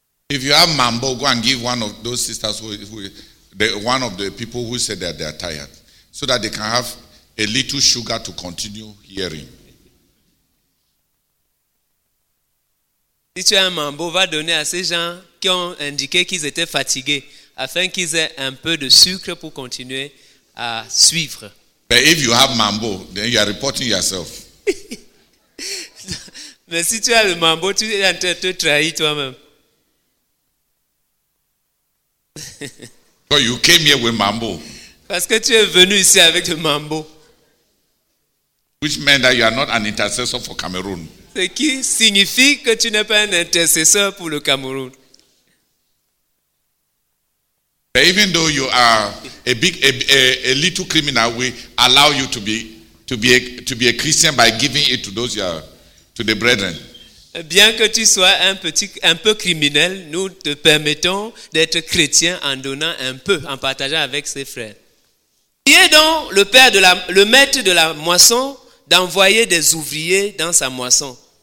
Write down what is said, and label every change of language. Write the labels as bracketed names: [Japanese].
[English] If you have mambo, go and give one of those sisters one of the people who said that they are tired, so that they can have a little sugar to continue hearing. [French] Si tu as un mambo, va donner à ces gens qui ont indiqué qu'ils étaient fatigués, afin qu'ils aient un peu de sucre pour continuer à suivre. [English] But if you have mambo, then you are reporting yourself. [French] Mais si tu as le mambo, tu es en train de te trahir toi-même. [English] So you came here with mambo. [French] Parce que tu es venu ici avec le mambo. [English] Which means that you are not an intercessor for Cameroon. [French] Ce qui signifie que tu n'es pas un intercesseur pour le Cameroun. [English] But even though you are a little criminal, we allow you to be a Christian by giving it to those to the brethren. [French] Bien que tu sois un peu criminel, nous te permettons d'être chrétien en donnant un peu, en partageant avec ses frères. Qui est donc le maître de la moisson d'envoyer des ouvriers dans sa moisson?